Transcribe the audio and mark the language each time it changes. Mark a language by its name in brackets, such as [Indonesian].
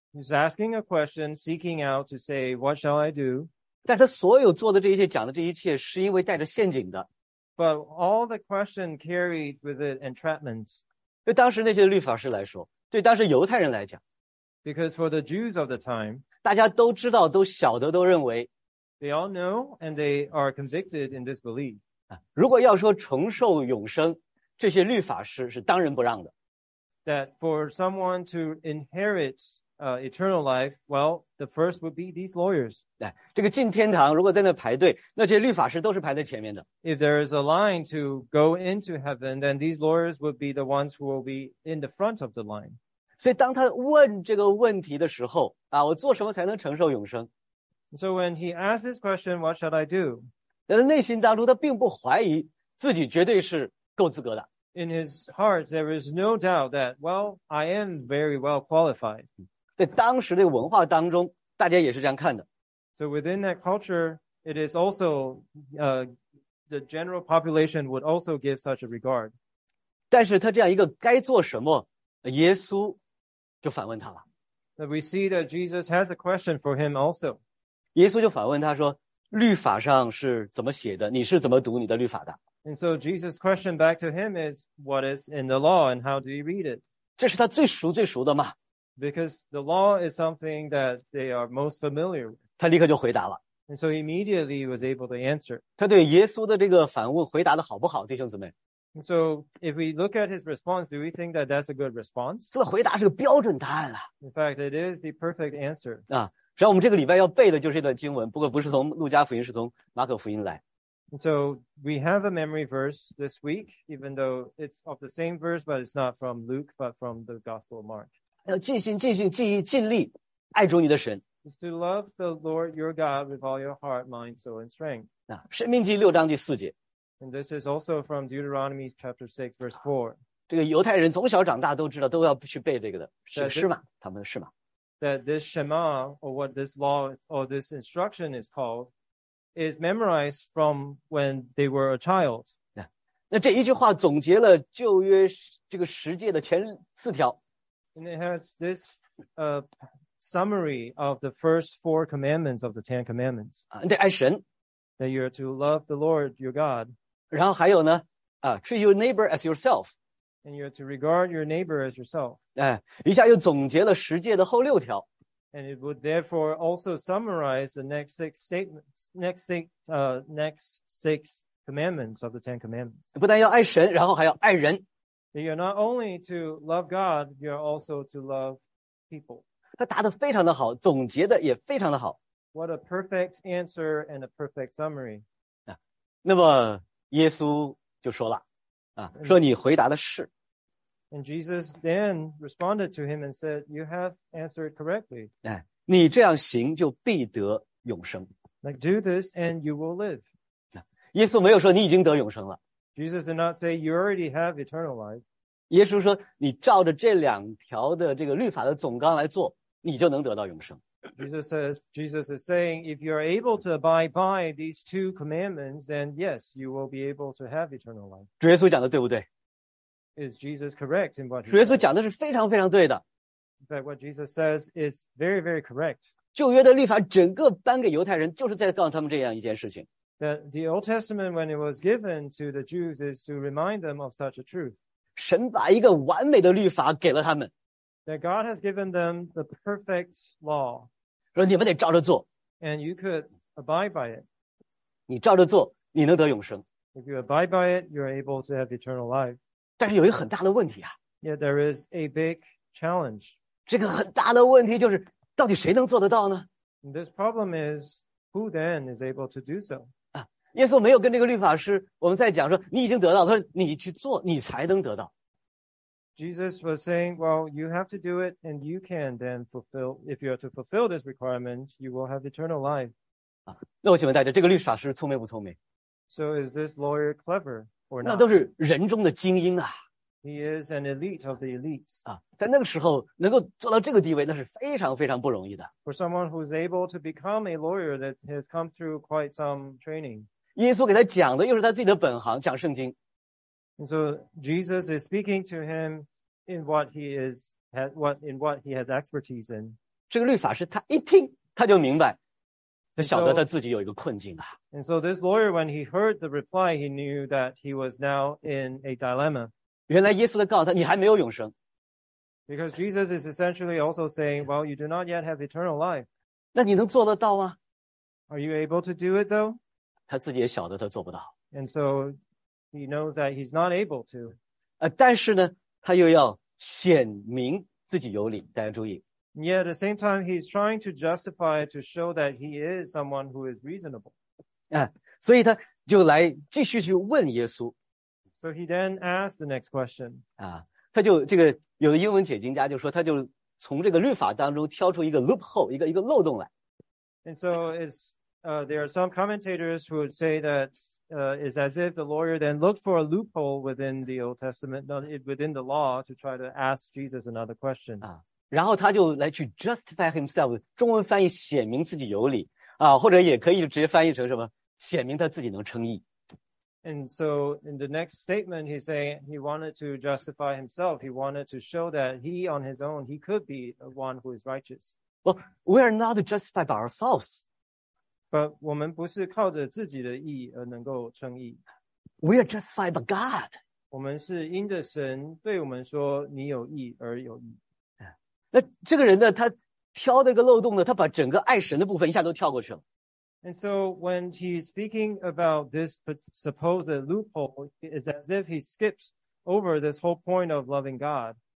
[English] ？He's asking a question, seeking out to say, "What shall I do?" [Chinese] 但他所有做的这一切、讲的这一切，是因为带着陷阱的。 [English] But all the question carried with it entrapments. [Chinese] 对当时那些律法师来说，对当时犹太人来讲 [English] ，Because for the Jews of the time, [Chinese] 大家都知道、都晓得、都认为 [English] ，They all know and they are convicted in this belief. [Chinese] 如果要说重受永生，这些律法师是当仁不让的。 [English] That for someone to inherit eternal life, well, the first would be these lawyers. [Chinese] 对，这个进天堂，如果在那排队，那这些律法师都是排在前面的。 [English] If there is a line to go into heaven, then these lawyers would be the ones who will be in the front of the line. [Chinese] 所以当他问这个问题的时候，啊，我做什么才能承受永生 [English] ？So when he asks this question, what should I do? [Chinese] 但是内心当中，他并不怀疑自己绝对是够资格的。 [English] in his heart, there is no doubt that, well, I am very well qualified. [Chinese] 在当时的文化当中，大家也是这样看的。 [English] So within that culture, it is also, the general population would also give such a regard. [Chinese] 但是他这样一个该做什么，耶稣就反问他了。 [English] But we see that Jesus has a question for him also. [Chinese] 耶稣就反问他说，律法上是怎么写的？你是怎么读你的律法的？ [English] And so Jesus' question back to him is, what is in the law and how do you read it? [Chinese] 这是他最熟最熟的嘛。 [English] Because the law is something that they are most familiar with. [Chinese] 他立刻就回答了。 [English] And so immediately he was able to answer. [Chinese] 他对耶稣的这个反问回答的好不好，弟兄姊妹？ [English] And so if we look at his response, do we think that that's a good response? [Chinese] 这个回答是个标准答案啊。 [English] In fact, it is the perfect answer. [Chinese] 啊，实际上我们这个礼拜要背的就是这段经文，不过不是从路加福音，是从马可福音来。 [English] So we have a memory verse this week, even though it's of the same verse, but it's not from Luke, but from the Gospel of Mark. [Chinese] 尽心、尽性、尽意、尽力，爱主你的神。 [English] It's to love the Lord your God with all your heart, mind, soul, and strength. [Chinese] 那《申命记》六章第四节。 [English] And this is also from Deuteronomy chapter 6, verse 4. [Chinese] 这个犹太人从小长大都知道，都要去背这个的，是诗嘛，他们的诗嘛。 [English] That this Shema, or what this law, or this instruction is called,is memorized from when they were a child. Yeah. [Chinese] 那这一句话总结了旧约这个十诫的前四条。 [English] And it has this, summary of the first four commandments of the Ten Commandments. [Chinese] 你得爱神。 [English] That you are to love the Lord your God. [Chinese] 然后还有呢， [English] treat your neighbor as yourself. And you are to regard your neighbor as yourself. [Chinese] 一下又总结了十诫的后六条。 [English] And it would therefore also summarize the next six statements, next six commandments of the Ten Commandments. [Chinese] 不但要爱神，然后还要爱人。 [English] You're not only to love God, you're also to love people. [Chinese] 他答得非常的好，总结的也非常的好。 [English] What a perfect answer and a perfect summary. [Chinese] 那么耶稣就说了，说你回答的是。 [English] And Jesus then responded to him and said, you have answered correctly. [Chinese] 你这样行就必得永生。 [English] Like, do this and you will live. [Chinese] 耶稣没有说你已经得永生了。 [English] Jesus did not say, you already have eternal life. [Chinese] 耶稣说你照着这两条的这个律法的总纲来做，你就能得到永生。 [English] Jesus is saying, if you are able to abide by these two commandments, then yes, you will be able to have eternal life. [Chinese] 主耶稣讲的对不对？ [English] Is Jesus correct in what he said? [Chinese] 耶稣讲的是非常非常对的。 [English] In fact, what Jesus says is very, very correct. [Chinese] 旧约的律法整个颁给犹太人就是在告诉他们这样一件事情。 [English] That the Old Testament, when it was given to the Jews, is to remind them of such a truth. [Chinese] 神把一个完美的律法给了他们。 [English] That God has given them the perfect law. [Chinese] 说你们得照着做。 [English] And you could abide by it. [Chinese] 你照着做，你能得永生。 [English] If you abide by it, you are able to have eternal life. [Chinese] 但是有一个很大的问题啊。 [English] Yeah, there is a big challenge. [Chinese] 这个很大的问题就是到底谁能做得到呢？ [English] This problem is, who then is able to do so? [Chinese] 耶稣没有跟这个律法师我们在讲说你已经得到，他说你去做你才能得到。 [English] Jesus was saying, well, you have to do it and you can then fulfill, if you are to fulfill this requirement, you will have eternal life. [Chinese] 那我请问大家，这个律法师聪明不聪明？ [English] So is this lawyer clever? [Chinese] 那都是人中的精英啊。 [English] He is an elite of the elites. [Chinese] 在那个时候能够做到这个地位那是非常非常不容易的。 [English] For someone who is able to become a lawyer that has come through quite some training. [Chinese] 耶稣给他讲的又是他自己的本行，讲圣经。 [English] And so Jesus is speaking to him in what he has expertise in. [Chinese] 这个律法师他一听他就明白。他晓得他自己有一个困境啊。 [English] And so this lawyer, when he heard the reply, he knew that he was now in a dilemma. [Chinese] 原来耶稣在告诉他，你还没有永生。 [English] Because Jesus is essentially also saying, well, you do not yet have eternal life. [Chinese] 那你能做得到吗？ [English] Are you able to do it though? [Chinese] 他自己也晓得他做不到。 [English] And so he knows that he's not able to. [Chinese] 但是呢，他又要显明自己有理，大家注意。 [English] And yet at the same time, he's trying to justify to show that he is someone who is reasonable. [Chinese] 所以他就来继续去问耶稣。 [English] So he then asked the next question. [Chinese] 他就这个有的英文解经家就说他就从这个律法当中挑出一个 loophole, 一个漏洞来。 [English] And so there are some commentators who would say that is as if the lawyer then looked for a loophole within the Old Testament, within the law, to try to ask Jesus another question. [Chinese] 然后他就来去 [English] justify himself, [Chinese] 中文翻译显明自己有理啊，或者也可以直接翻译成什么，显明他自己能称义。 [English] And so in the next statement, he's saying he wanted to justify himself. He wanted to show that he on his own, he could be one who is righteous. Well, we are not justified by ourselves. But [Chinese] 我们不是靠着自己的义而能够称义。 [English] We are justified by God. [Chinese] 我们是因着神对我们说你有义而有义。那这个人呢，他挑了个漏洞呢，他把整个爱神的部分一下都跳过去了。 [English] And so when he's speaking about this supposed loophole, it's as if he skips over this whole point of loving God.